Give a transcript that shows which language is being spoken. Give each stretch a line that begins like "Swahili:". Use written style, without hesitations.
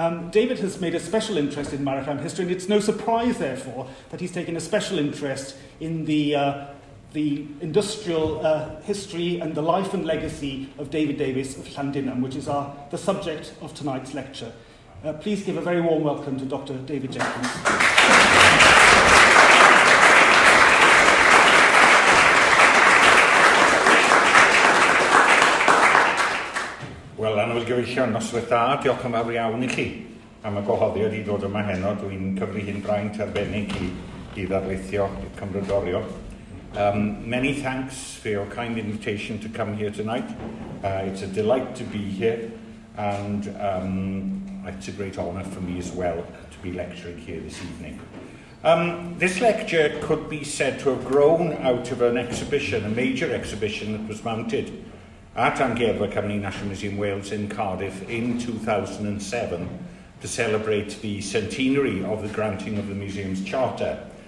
English: David has made a special interest in maritime history, and it's no surprise, therefore, that he's taken a special interest in the industrial history and the life and legacy of David Davies of Llandinam, which is the subject of tonight's lecture. Please give a very warm welcome to Dr. David Jenkins. Well, I'm going to give you a nos with that.
Welsh: Diolch yn fawr iawn I chi. Am y gwahoddiad I ddod yma heno, dwi'n cyfri hyn braint arbennig I ddarlithio i'r Cymrydorio.
English: Many thanks for your kind invitation to come here tonight. It's a delight to be here, and it's a great honour for me as well to be lecturing here this evening. This lecture could be said to have grown out of an exhibition, a major exhibition that was mounted at Angerdfa Cymru National Museum Wales in Cardiff in 2007 to celebrate the centenary of the granting of the museum's charter.